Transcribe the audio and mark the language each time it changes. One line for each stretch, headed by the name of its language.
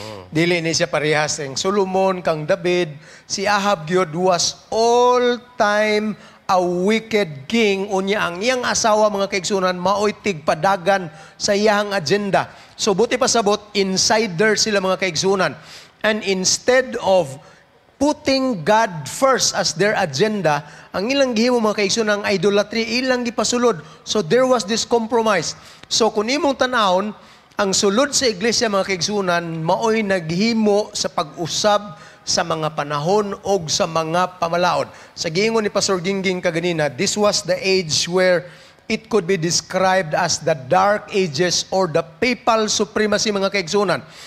Cebuano: Dili ni siya parehas ang Solomon, kang David.
English: Si Ahab gyud was all time a wicked king.
Cebuano: Unya ang iyang asawa, mga kaigsuonan, maoy tigpadagan sa iyang agenda. So buti pasabot, insider sila, mga kaigsuonan.
English: And instead of putting God first as their agenda,
Cebuano: ang ilang gihimo, mga kaigsuonan, ang idolatry, ilang gipasulod.
English: So there was this compromise.
Cebuano: So kung imong tanahon, ang sulod sa iglesia, mga kaigsuonan, maoy naghimo sa pag-usab sa mga panahon o sa mga pamalaod. Sa giingon ni Pastor Gingging kaganina,
English: this was the age where it could be described as the Dark Ages or the Papal Supremacy, mga kaigsuonan.